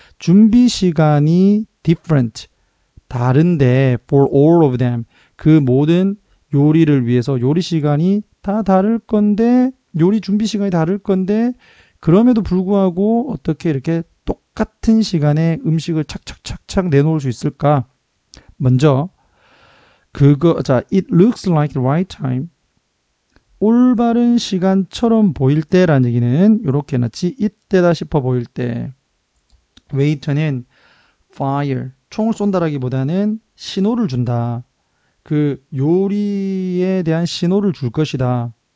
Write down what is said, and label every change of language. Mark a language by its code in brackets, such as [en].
[ko] 준비 시간이 different, 다른데 [en] for all of them, [ko] 그 모든 요리를 위해서 요리 시간이 다 다를 건데, 요리 준비 시간이 다를 건데 그럼에도 불구하고 어떻게 이렇게 똑같은 시간에 음식을 착착착착 내놓을 수 있을까? 먼저, 그거, [en] 자, it looks like the right time. [ko] 올바른 시간처럼 보일 때라는 얘기는 이렇게 해놨지. 이때다 싶어 보일 때. 웨이터는 fire, 총을 쏜다라기보다는 신호를 준다. 그 요리에 대한 신호를 줄 것이다.